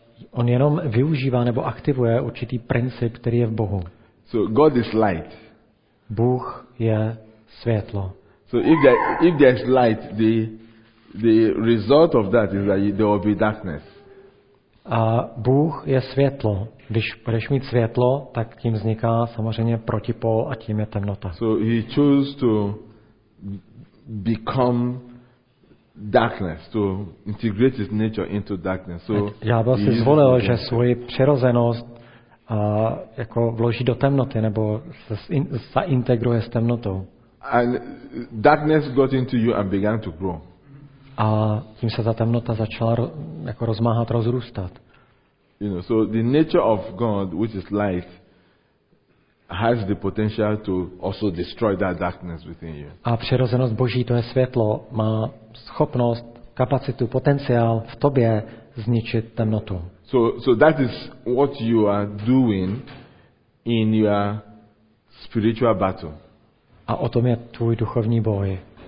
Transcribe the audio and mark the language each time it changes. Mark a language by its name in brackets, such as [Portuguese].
[Czech] On jenom využívá nebo aktivuje určitý princip, který je v Bohu. [English] So God is light. [Czech] Bůh je světlo. [English] So if there is light, the result of that is that there will be darkness. [Czech] A Bůh je světlo. Když budeš mít světlo, tak tím vzniká samozřejmě protipol a tím je temnota. [English] So he chose to become darkness, to integrate his nature into darkness. So [Czech] ďábel si zvolil, že svoji přirozenost jako vloží do temnoty nebo se zaintegruje s temnotou. [English] And darkness got into you and began to grow. [Czech] A tím se ta temnota začala jako rozmáhat, rozrůstat. [English] You know, so the nature of God, which is light, has the potential to also destroy that darkness within you. [Czech] A přirozenost Boží, to je světlo, má schopnost, kapacitu, potenciál v tobě zničit temnotu. [English] So that is what you are doing in your spiritual battle. [Czech] A o tom je tvůj duchovní boj.